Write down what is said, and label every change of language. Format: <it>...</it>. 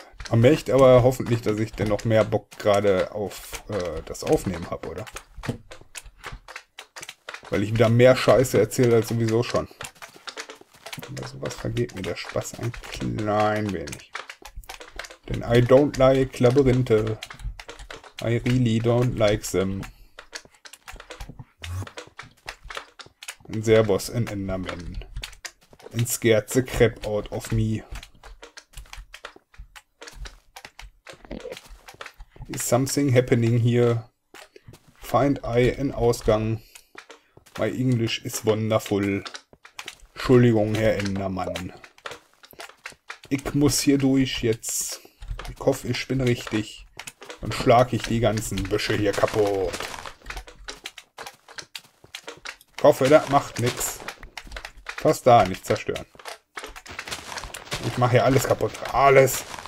<de>Man merkt aber hoffentlich, dass ich dennoch mehr Bock gerade auf das Aufnehmen habe, oder? Weil ich wieder mehr Scheiße erzähle als sowieso schon. Bei sowas vergeht mir der Spaß ein klein wenig. Denn</de> <en>I don't like Labyrinthe. I really don't like them.</en> <de>Ein Servus, ein Enderman.</de> <en>Ein scared the crap out of me. Is something happening here? Find I an Ausgang. My English is wonderful.</en> <de>Entschuldigung, Herr Endermann. Ich muss hier durch jetzt. Ich hoffe, ich bin richtig. Dann schlage ich die ganzen Büsche hier kaputt. Baufelder macht nix. Fast da, nicht zerstören. Ich mache hier alles kaputt. Alles.</de>